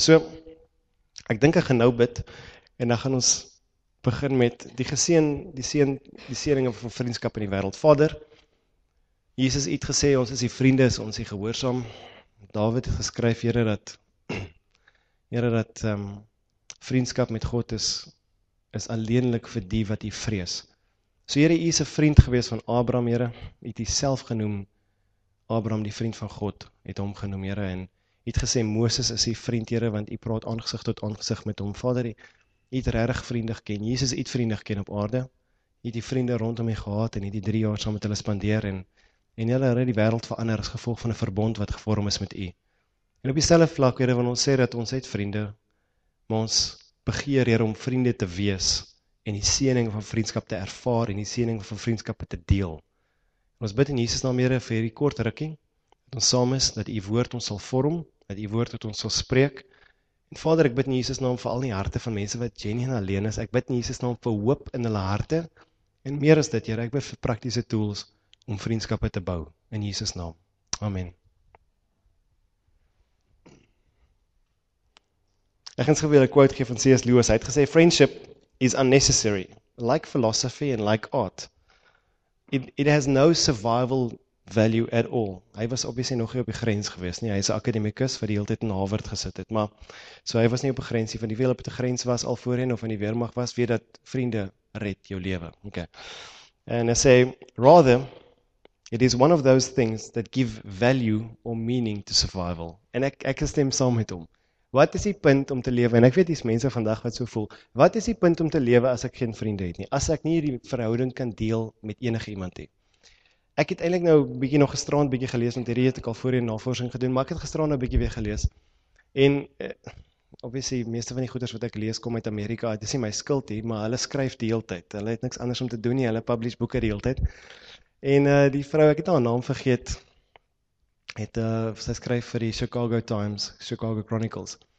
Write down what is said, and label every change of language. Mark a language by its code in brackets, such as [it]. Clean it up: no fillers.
[af] So, ek dink ek gaan nou bid en dan gaan ons begin met die geseën, die seëninge van vriendskap in die wêreld. Vader, Jesus het gesê ons is die vriende is ons die gehoorsaam. Dawid het geskryf, Here dat vriendskap met God is alleenlik vir die wat U vrees. So Here, U is 'n vriend gewees van Abraham, Here. U het Uself genoem Abraham die vriend van God, het hom genoem, Here, en U het gesê Moses is U vriend, Here, want U praat aangesig tot aangesig met hom. Vader, het regtig vriende geken. Jesus het vriende geken op aarde. Het die vriende rondom hom gehad en het die 3 jaar saam met hulle spandeer en en julle red die wêreld verander as gevolg van 'n verbond wat gevorm is met U. En op dieselfde vlak, Here, wil ons sê dat ons het vriende, maar ons begeer, Here, om vriende te wees en die seëning van vriendskap te ervaar en die seëning van vriendskappe te deel. En ons bid in Jesus naam, Here, vir hierdie kort rukkie, dat ons saam is, dat U woord ons sal vorm, dat U woord tot ons sal spreek. En Vader, ek bid in Jesus naam vir al die harte van mense wat genuen alleen is. Ek bid in Jesus naam vir hoop in hulle harte. En meer as dit, Here, ek bid vir praktiese tools om vriendskappe te bou in Jesus naam. Amen. Ek gaan gou weer 'n quote gee van C.S. Lewis. Hy het gesê [en] friendship is unnecessary, like philosophy and like art. It has no survival value at all. [af] Hy was obviously nog nie op die grens gewees nie. Hy is 'n akademikus wat die hele tyd in Harvard gesit het, maar so hy was nie op die grens nie, van die wiele op die grens was al voorheen of in die weermag was, weet dat vriende red jou lewe. Okay. [en] And I say rather it is one of those things that give value or meaning to survival. [af] En ek stem saam met hom. Wat is die punt om te lewe? En ek weet dis mense vandag wat so voel. Wat is die punt om te lewe as ek geen vriende het nie? As ek nie hierdie verhouding kan deel met enige iemand nie. Ek het eintlik nou 'n bietjie nog gisteraand bietjie gelees, want hierdie het ek al voorheen navorsing gedoen, maar ek het gisteraand 'n bietjie weer gelees. En obviously meeste van die goeders wat ek lees kom uit Amerika. Dit is nie my skuld hier, maar hulle skryf die hele tyd. Hulle het niks anders om te doen nie. Hulle publish boeke die hele tyd. En die vrou, ek het haar naam vergeet, het sy skryf vir die Chicago Times, Chicago Chronicles.